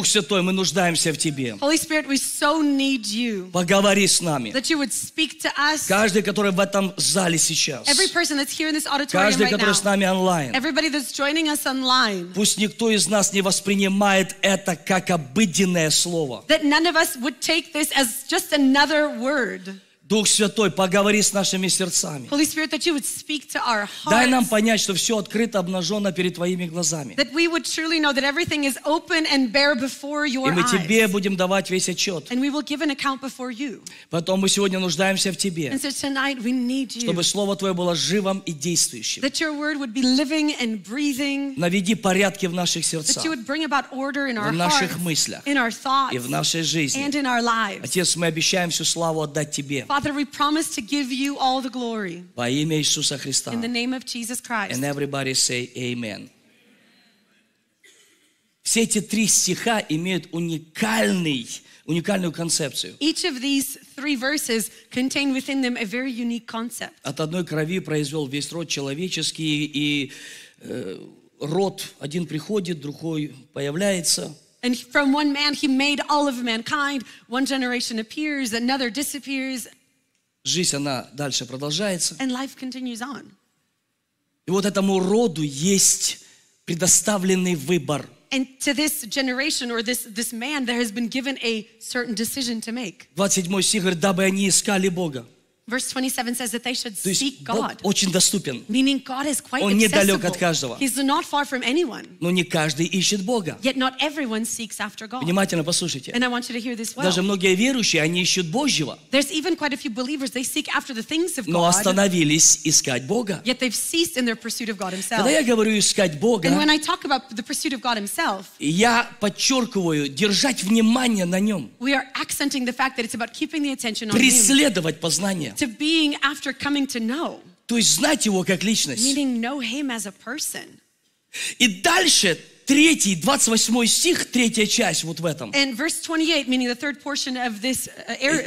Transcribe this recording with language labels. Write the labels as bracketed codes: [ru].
[ru] Дух Святой, мы нуждаемся в тебе. [en] Holy Spirit, we so need you. [ru] Поговори с нами. [en] That you would speak to us. [ru] Каждый, который в этом зале сейчас. [en] Every person that's here in this auditorium. [ru] Каждый, который [en] right [ru] с нами онлайн. [en] Everybody that's joining us online. [ru] Пусть никто из нас не воспринимает это как обыденное слово. [en] That none of us would take this as just another word. [ru] Дух Святой, поговори с нашими сердцами. [en] Holy Spirit, that you would speak to our hearts. [ru] Дай нам понять, что все открыто, обнажено перед твоими глазами. [en] That we would truly know that everything is open and bare before your eyes. [ru] И мы тебе будем давать весь отчет. [en] And we will give an account before you. [ru] Потом мы сегодня нуждаемся в тебе. [en] And so tonight we need you. [ru] Чтобы слово твое было живым и действующим. [en] That your word would be living and breathing. [ru] Наведи порядки в наших сердцах. [en] That you would bring about order in our hearts. [ru] В наших мыслях. [en] In our thoughts. [ru] И в нашей жизни. [en] And in our lives. [ru] Отец, мы обещаем всю славу отдать тебе. [en] Father, we promise to give you all the glory. [ru] Во имя Иисуса Христа. [en] In the name of Jesus Christ. And everybody say amen. [ru] Все эти три стиха имеют уникальную концепцию. [en] Each of these three verses contain within them a very unique concept. [ru] От одной крови произвел весь род человеческий, и род один приходит, другой появляется. [en] And from one man he made all of mankind. One generation appears, another disappears. [ru] Жизнь, она дальше продолжается. [en] And life continues on. [ru] И вот этому роду есть предоставленный выбор. [en] And to this generation or this man, there has been given a certain decision to make. [ru] 27 стих говорит, дабы они искали Бога. [en] Verse 27 says that they should [ru] то есть, [en] seek God. [ru] Бог очень доступен. [en] Meaning God is quite [ru] Он Недалек от каждого. [en] He's not far from anyone. [ru] Но не каждый ищет Бога. [en] Yet not everyone seeks after God. [ru] Внимательно послушайте. [en] And I want you to hear this well. [ru] Даже многие верующие, они ищут Божьего. [en] There's even quite a few believers, they seek after the things of God. [ru] Но остановились искать Бога. [en] Yet they've ceased in their pursuit of God himself. [ru] Когда я говорю искать Бога, [en] and when I talk about the pursuit of God himself, [ru] я подчеркиваю, держать внимание на нем. [en] We are accenting the fact that it's about keeping the attention on him. [ru] Преследовать познание. [en] To being after coming to know. [ru] То есть знать его как личность. [en] Meaning know him as a person. [ru] И дальше, третий, 28 стих, третья часть вот в этом. [en] And verse 28, meaning the third portion of this area.